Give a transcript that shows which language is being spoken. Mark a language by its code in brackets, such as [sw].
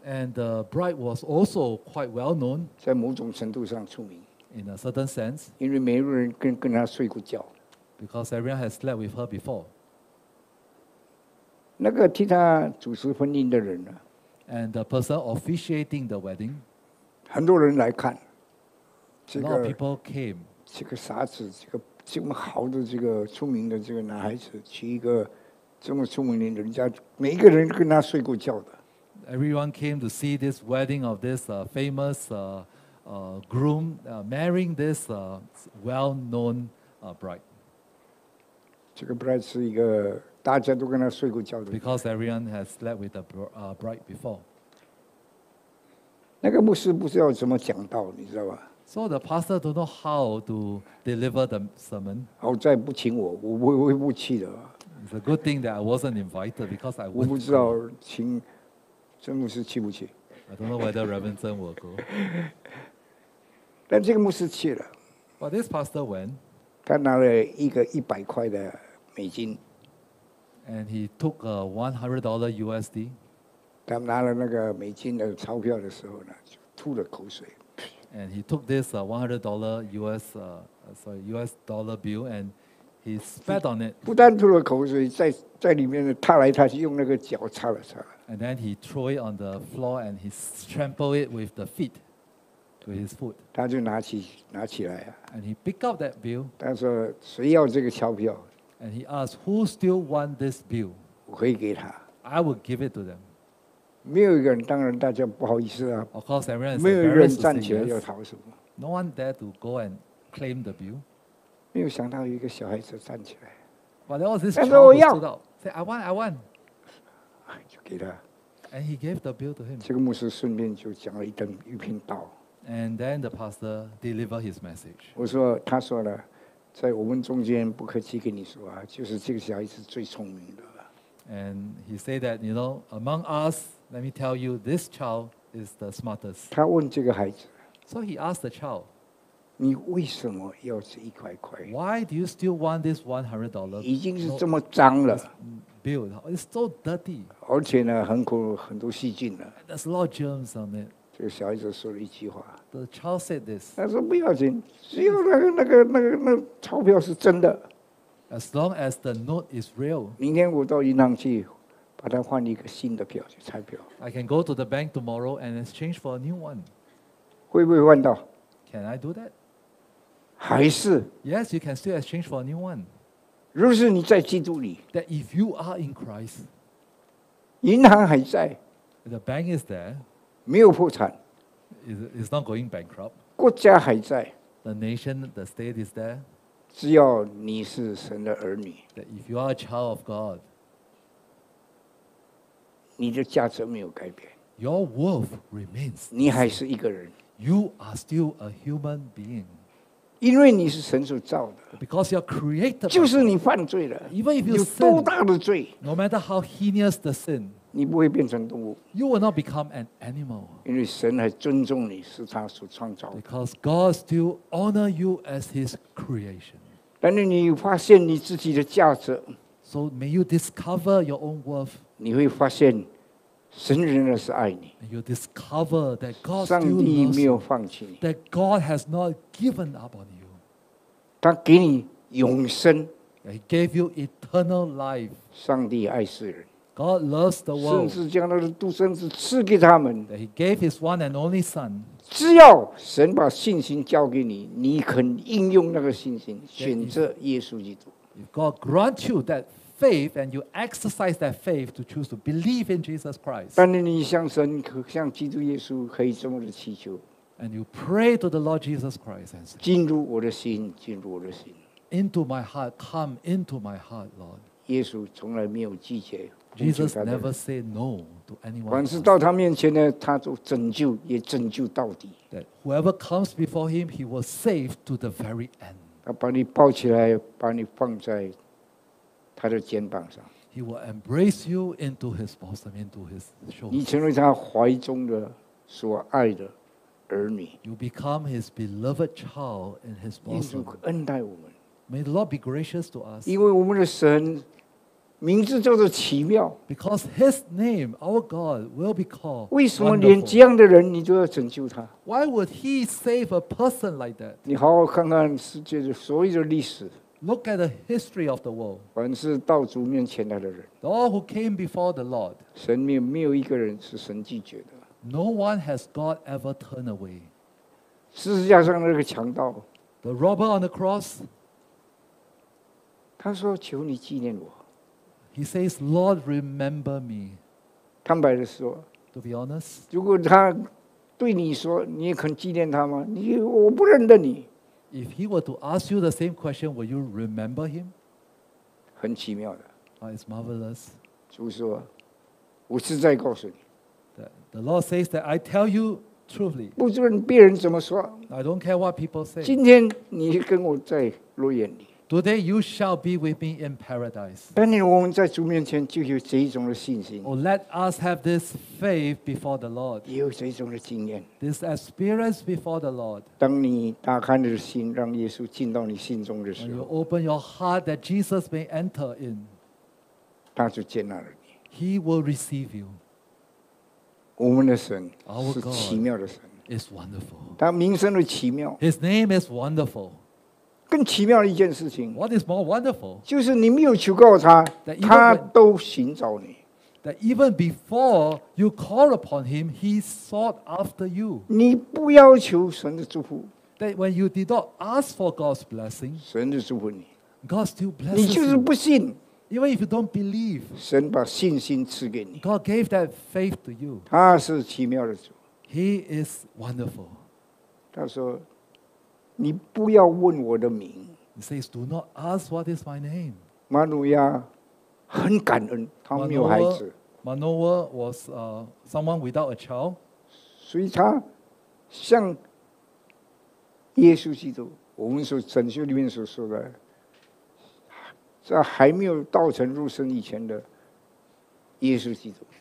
[en] and the bride was also quite well known. [zh] 在某种程度上出名 [en] in a certain sense. [zh] 因为没有人 跟他睡过觉 [en] Because everyone has slept with her before. [zh] 那个替他主持婚姻的人呢 [en] And the person officiating the wedding. [zh] 很多人来看。 [en] A lot of people came. [zh] 这个傻子，这个这么好的，这个出名的这个男孩子，娶一个这么出名的人家，每一个人跟他睡过觉的。 [en] Everyone came to see this wedding of this famous groom marrying this well-known bride. [zh] 这个 bride 是一个大家都跟他睡过觉的。 [en] Because everyone has slept with the bride before. [zh] 那个牧师不知道怎么讲道，你知道吧 [en] ？So the pastor don't know how to deliver the sermon. [zh] 好在不请我，我不去的。 [en] It's a good thing that I wasn't invited because I wouldn't. [zh] 我不知道请郑牧师去不去。 [en] I don't know whether Reverend Zeng will go. [zh] 但这个牧师去了。 [en] But this pastor went. [zh] 他拿了一个一百块的美金 [en] ，and he took a $100 USD。 [zh] 他拿了那个美金的钞票的时候呢，就吐了口水。 [en] And he took this $100 US dollar bill and he spat on it。 [zh] 不但吐了口水，在里面踏来踏去，用那个脚擦了擦。 [en] And then he threw it on the floor and he trampled it with the feet. To his foot. [zh] 他就拿起来、啊、 [en] And he picked up that bill. [zh] 他说谁要这个钞票 [en] And he asked, who still want this bill? [zh] 我可以给他 [en] I will give it to them. [zh] 没有一个人当然大家不好意思啊 [en] Of course, everyone is [zh] 没有一个人站起来要讨什么 [en] No one dare to go and claim the bill. [zh] 没有想到一个小孩子站起来 [en] But there was this child who stood up. Say, I want. [zh] 就给他 [en] And he gave the bill to him. [zh] 这个牧师顺便就讲了一篇道 [en] And then the pastor delivered his message. [zh] 我说，他说了，在我们中间不客气跟你说啊，就是这个小孩子最聪明的了。 [en] And he said that, you know, among us, let me tell you, this child is the smartest. [zh] 他问这个孩子。 [en] So he asked the child, [zh] 你为什么要这一块块 [en] ？Why do you still want this $100? [zh] 已经是这么脏了。 [en] Bill, it's so dirty. [zh] 而且呢，很多细菌了。 [en] There's a lot of germs on it. [zh] 这个小孩子说了一句话。 [en] The child said this. [zh] 他说不要紧，只要那个钞票是真的。 [en] As long as the note is real. [zh] 明天我到银行去，把它换一个新的票，彩票。 [en] I can go to the bank tomorrow and exchange for a new one. [zh] 会不会换到 [en] ？Can I do that? [zh] 还是 [en] ？Yes, you can still exchange for a new one. [zh] 若是你在基督里 [en] ，That if you are in Christ, [zh] 银行还在 [en] ，The bank is there. [zh] 没有破产 [en] It's not going bankrupt. [zh] 国家还在 [en] The nation, the state is there. [zh] 只要你是神的儿女 [en] That if you are a child of God, [zh] 你的价值没有改变 [en] Your worth remains. [zh] 你还是一个人 [en] You are still a human being. [zh] 因为你是神所造的 [en] Because you're created. [zh] 就是你犯罪了 [en] Even if you sin, [zh] 有多大的罪 [en] No matter how heinous the sin, [zh] 你不会变成动物。 [en] You will not become an animal. [zh] 因为神还尊重你，是他所创造的。 [en] Because God still honor you as His creation. [zh] 但是你发现你自己的价值。 [en] So may you discover your own worth. [zh] 你会发现神仍然是爱你。 [en] You discover that God [zh] 上帝没有放弃你。 [en] That God has not given up on you. [zh] 他给你永生。 [en] He gave you eternal life. [zh] 上帝爱世人。 [en] God loves the world. [zh] 甚至将他的独生子赐给他们。 [en] That He gave His one and only Son. [zh] 只要神把信心交给你，你肯应用那个信心，选择耶稣基督。 [en] If God grants you that faith and you exercise that faith to choose to believe in Jesus Christ. [zh] 但是你向神和向基督耶稣可以这么的祈求。 [en] And you pray to the Lord Jesus Christ and say, [zh] 进入我的心，进入我的心。 [en] Into my heart, come into my heart, Lord. [zh] 耶稣从来没有拒绝。 [en] Jesus never said no to anyone. [zh] 凡是到他面前呢，他就拯救，也拯救到底。 [en] That whoever comes before him, he will save to the very end. [zh] 他把你抱起来，把你放在他的肩膀上。 [en] He will embrace you into His bosom, into His shoulders. [zh] 你成为他怀中的所爱的儿女。 [en] You become His beloved child in His bosom. [zh] 因主恩待我们。 [en] May the Lord be gracious to us. [zh] 因为我们的神名字叫做奇妙。 [en] Because His name, our God, will be called. [zh] 为什么连这样的人你就要拯救他 [en] ？Why would He save a person like that？ [zh] 你好好看看世界的所有的历史。 [en] Look at the history of the world. [zh] 凡是到主面前来的人 [en] ，All who came before the Lord. [zh] 神没有一个人是神拒绝的。 [en] No one has God ever turned away. [zh] 十字架上那个强盗 [en] ，The robber on the cross. [zh] 他说：“求你纪念我。” [en] He says, "Lord, remember me." [zh] 坦白的说 [en] ，To be honest, [zh] 如果他对你说，你也肯纪念他吗？你我不认得你。 [en] If he were to ask you the same question, will you remember him? [zh] 很奇妙的。 [en] It's marvelous. [zh] 主说，我实在告诉你。 [en] The Lord says that I tell you truthfully. [zh] 不论别人怎么说 [en] ，I don't care what people say. [zh] 今天你跟我在乐园里。 [en] Today you shall be with me in paradise. [zh] 但是我们在主面前就有这一种的信心。 [en] Oh, let us have this faith before the Lord. [zh] 也有这一种的经验。 [en] This experience before the Lord. [zh] 当你打开你的心，让耶稣进到你心中的时候。 [en] When you open your heart that Jesus may enter in. [zh] 他就接纳了你。 [en] He will receive you. [zh] 我们的神是奇妙的神。 [en] It's wonderful. [zh] 他名声的奇妙。 [en] His name is wonderful. [zh] 更奇妙的一件事情 [en] ，What is more wonderful， [zh] 就是你没有求告他，他都寻找你。 [en] That even before you call upon him, he sought after you。 [zh] 你不要求神的祝福 [en] ，That when you did not ask for God's blessing， [zh] 神就祝福你。 [en] God still blesses you。 [zh] 你就是不信 [en] ，Even if you don't believe， [zh] 神把信心赐给你。 [en] God gave that faith to you。 [zh] 他是奇妙的主。 [en] He is wonderful。 [zh] 他说。你不要问我的名。 [en] He says, "Do not ask what is my name." [zh] 马努亚很感恩，他没有孩子。 [en] Manoah was someone without a child. [zh] 所以他像耶稣基督，我们所拯救里面所说的，在还没有道成肉身以前的耶稣基督。